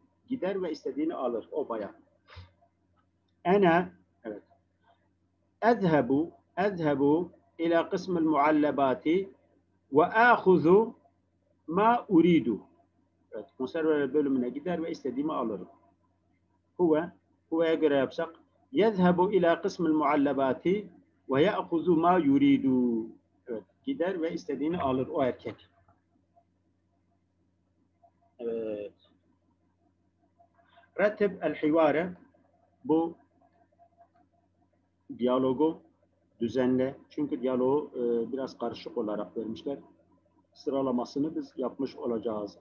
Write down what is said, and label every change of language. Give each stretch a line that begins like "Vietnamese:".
Turkish: Gider ve istediğini alır. O bayan. Ene, evet.
Arabic: Ezhebu ila kısmül muallabati وآخذ ما أريد.
Turkish: Evet, konserve bölümüne gider ve istediğimi alırım. Huve'ye göre yapsak
Arabic: يذهب إلى قسم المعلبات ويأخذ ما يريد.
Turkish: Evet, gider ve istediğini alır o erkek. Evet.
Arabic: Rettib el-hivare
Turkish: bu diyalogu düzenle. Çünkü diyaloğu biraz karışık olarak vermişler. Sıralamasını biz yapmış olacağız.